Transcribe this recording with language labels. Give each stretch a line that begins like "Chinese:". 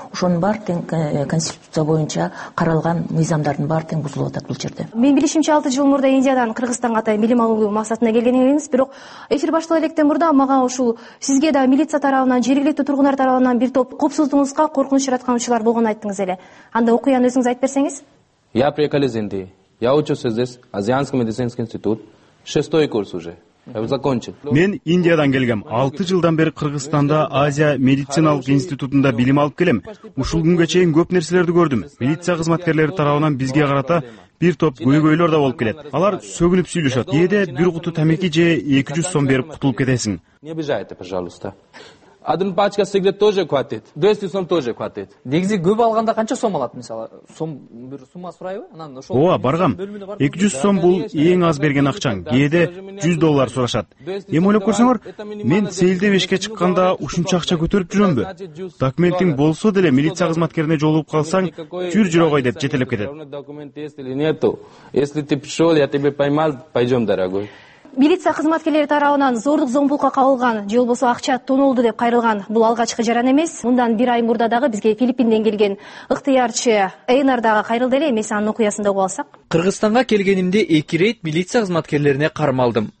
Kyrgyz: Ошонун баары тең конституция боюнча каралган мыйзамдардын баары тең бузулуп атат бул жерде. Мен билишимче 6 жыл мурда Индиядан Кыргызстанга атайын билим алуу максатында келген элебиз, бирок эфир баштала электен мурда мага ушул сизге да милиция тарабынан, жергиликтүү тургундар тарабынан бир топ коопсуздугуңузга коркунуч жараткан учурлар болгонун айттыңыз эле. Анда окуяны өзүңүз айтып берсеңиз.
Russian: Я приехал из Индии. Я учусь здесь, Азианский медицинский институт, 6-й курс уже.
Kyrgyz: Мен Индиядан келгем. 6 жылдан бери Кыргызстанда Азия медициналык институтунда билим алып келем. Ушул күнгө чейин көп нерселерди көрдүм. Милиция кызматкерлери тарабынан бизге карата бир топ көйгөйлөр да болуп келет. Алар сөгүнүп сүйлөшөт. Эде бир куту тамеки же 200 сом берип кутулуп кетесиң.
Russian: Не обижайте, пожалуйста. Адын пачка сигарет тоже хватит. 200 сом тоже хватит.
Kyrgyz: Негизи көп алганда канча сом алат мисалы? Сом бир сумма сурайбы? Анан ошол. Оо, баргам. 200 сом бул эң аз берген акчаң. Кээде 100 доллар сурашат. Эми ойлоп көрсөңөр, мен сейилде бешке чыкканда ушунча акча көтөрүп жүрөмбү? Документиң болсо деле милиция кызматкерине жолугуп калсаң, жүр жүрөгөй деп жетелеп кетет.
Russian: Если ты пришёл, я тебя поймал, пойдём, дорогой.
Kyrgyz: Милиция кызматкерлери тарабынан зордук зомбулукка кабылган, же болбосо акча тонолду деп кайрылган бул алгачкы жаран эмес. Мындан бир ай мурда дагы бизге Филиппинден келген ыктыярчы Эйнар дагы кайрылды эле эмес, анын окуясында угуп алсак. Кыргызстанга келгенимде 2 рейд милиция кызматкерлерине кармалдым.